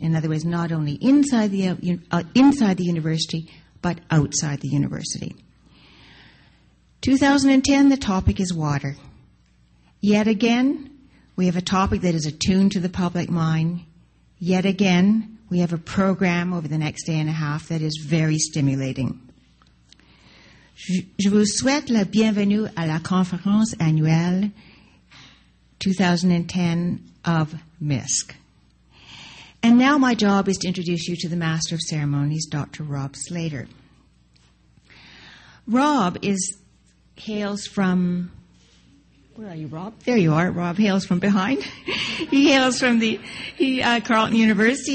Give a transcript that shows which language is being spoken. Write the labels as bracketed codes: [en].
[en] In other words, not only inside the university, but outside the university. 2010, the topic is water. Yet again, we have a topic that is attuned to the public mind. Yet again, we have a program over the next day and a half that is very stimulating. [fr] Je vous souhaite la bienvenue à la conférence annuelle 2010 of MISC. [en] And now my job is to introduce you to the Master of Ceremonies, Dr. Rob Slater. Rob hails from behind. He hails from Carleton University.